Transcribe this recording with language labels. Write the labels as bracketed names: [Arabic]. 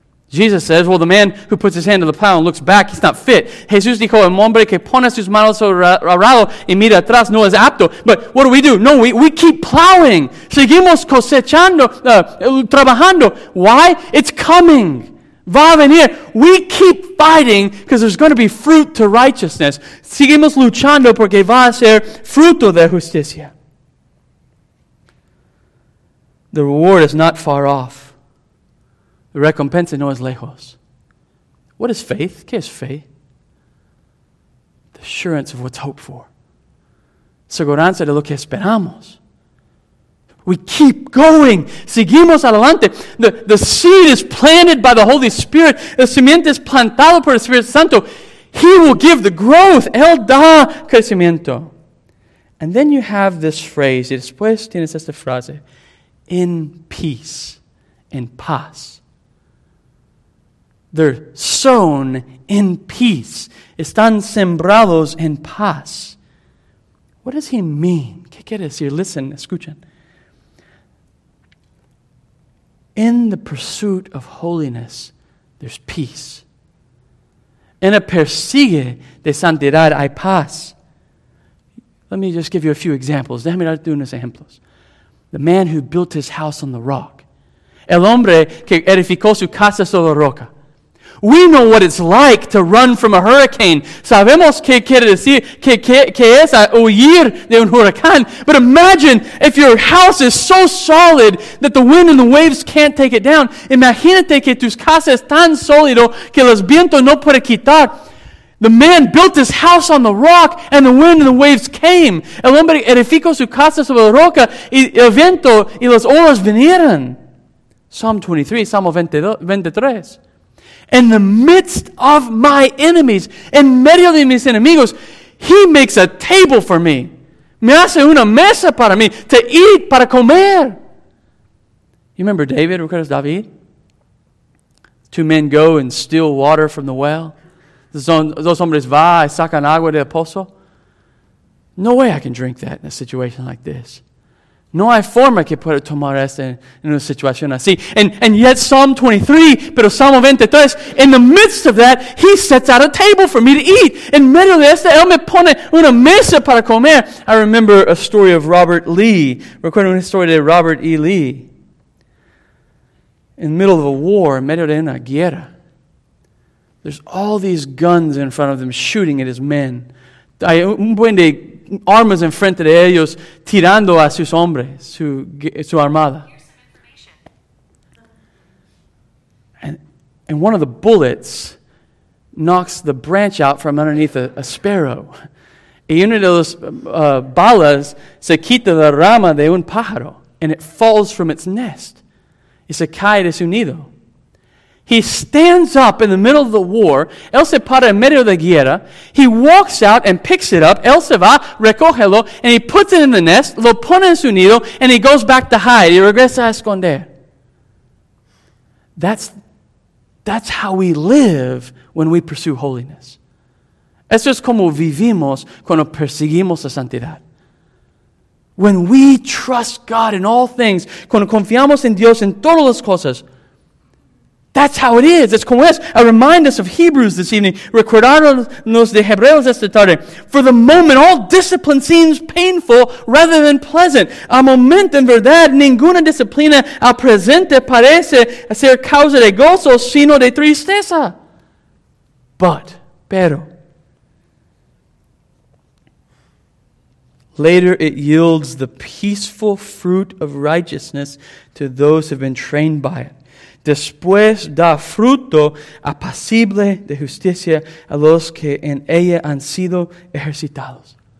[English] Jesus says, well, the man who puts his hand to the plow and looks back, he's not fit. [Spanish] Jesús dijo, el hombre que pone sus manos sobre el arado y mira atrás no es apto. [English] But what do? No, we keep plowing. [Spanish] Seguimos cosechando, trabajando. [English] Why? It's coming. [Spanish] Va a venir. [English] We keep fighting because there's going to be fruit to righteousness. [Spanish] Seguimos luchando porque va a ser fruto de justicia. [English] The reward is not far off. [Spanish] Recompensa no es lejos. [English] What is faith? [Spanish] ¿Qué es fe? [English] The assurance of what's hoped for. [Spanish] Seguranza de lo que esperamos. [English] We keep going. [Spanish] Seguimos adelante. [English] The seed is planted by the Holy Spirit. [Spanish] El cimiento es plantado por el Espíritu Santo. [English] He will give the growth. [Spanish] Él da crecimiento. [English] And then you have this phrase. [Spanish] Y después tienes esta frase. [English] In peace. In paz. They're sown in peace. [Spanish] Están sembrados en paz. [English] What does he mean? [Spanish] ¿Qué quiere decir? [English] Listen, [Spanish] escuchen. [English] In the pursuit of holiness, there's peace. [Spanish] En el persigue de santidad hay paz. [English] Let me just give you a few examples. [Spanish] Déjame darte unos ejemplos. [English] The man who built his house on the rock. [Spanish] El hombre que edificó su casa sobre la roca. [English] We know what it's like to run from a hurricane. [Spanish] Sabemos qué quiere decir, qué es huir de un huracán. [English] But imagine if your house is so solid that the wind and the waves can't take it down. [Spanish] Imagínate que tus casas tan sólido que los vientos no pueden quitar. [English] The man built his house on the rock and the wind and the waves came. [Spanish] El hombre edificó su casa sobre la roca y el viento y las olas vinieron. [English] Psalm 23, Salmo 23. In the midst of my enemies, [Spanish] en medio de mis enemigos, [English] he makes a table for me. [Spanish] Me hace una mesa para mí, [English] to eat, [Spanish] para comer. [English] You remember David, [Spanish] ¿recuerdas David? [English] Two men go and steal water from the well. [Spanish] Dos hombres va y sacan agua del pozo. [English] No way I can drink that in a situation like this. [Spanish] No hay forma que pueda tomar esto en una situación así. [English] And yet Psalm 23, [Spanish] pero Salmo 23, [English] in the midst of that, he sets out a table for me to eat. [Spanish] En medio de esto, él me pone una mesa para comer. [English] I remember a story of Robert Lee. [Spanish] Recuerdo una historia de Robert E. Lee. [English] In the middle of a war, [Spanish] en medio de una guerra, [English] there's all these guns in front of them shooting at his men. [Spanish] Hay un buen de armas en frente de ellos tirando a sus hombres, su armada. [English] And one of the bullets knocks the branch out from underneath a sparrow. [Spanish] Y una de las balas se quita la rama de un pájaro [English] and it falls from its nest. [Spanish] Y se cae de su nido. [English] He stands up in the middle of the war. [Spanish] Él se para en medio de la guerra. [English] He walks out and picks it up. [Spanish] Él se va, recógelo, [English] and he puts it in the nest, [Spanish] lo pone en su nido, [English] and he goes back to hide. [Spanish] Y regresa a esconder. [English] That's how we live when we pursue holiness. [Spanish] Eso es como vivimos cuando perseguimos la santidad. [English] When we trust God in all things, [Spanish] cuando confiamos en Dios en todas las cosas, [English] that's how it is. It's como es. A remind us of Hebrews this evening. [Spanish] Recordarnos de Hebreos esta tarde. [English] For the moment, all discipline seems painful rather than pleasant. [Spanish] A momento, en verdad, ninguna disciplina al presente parece ser causa de gozo, sino de tristeza. [English] But, [Spanish] pero. [English] Later, it yields the peaceful fruit of righteousness to those who have been trained by it. [Spanish] Después da fruto apacible de justicia a los que en ella han sido ejercitados.